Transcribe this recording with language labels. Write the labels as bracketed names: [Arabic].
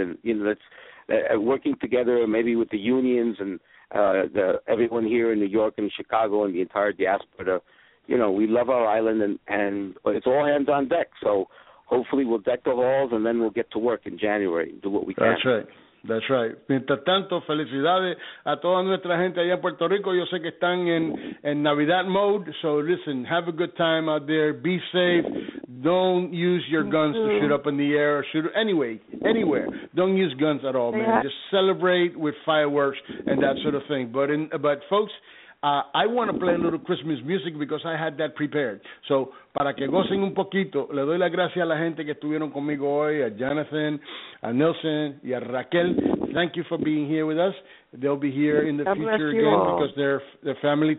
[English] And you know, let's working together, maybe with the unions and everyone here in New York and Chicago and the entire diaspora. To, you know, we love our island, and it's all hands on deck. So hopefully, we'll deck the halls, and then we'll get to work in January and do what we can. That's right. That's right. [Spanish] Mientras tanto, felicidades a toda nuestra gente allá en Puerto Rico. Yo sé que están en Navidad [English] mode, so listen, have a good time out there. Be safe. Don't use your guns to shoot up in the air or shoot anywhere. Don't use guns at all, man. Just celebrate with fireworks and that sort of thing. But folks, I want to play a little Christmas music because I had that prepared. So, [Spanish] para que gocen un poquito, le doy las gracias a la gente que estuvieron conmigo hoy, a Jonathan, a Nelson, y a Raquel. [English] Thank you for being here with us. They'll be here in the future again because they're family.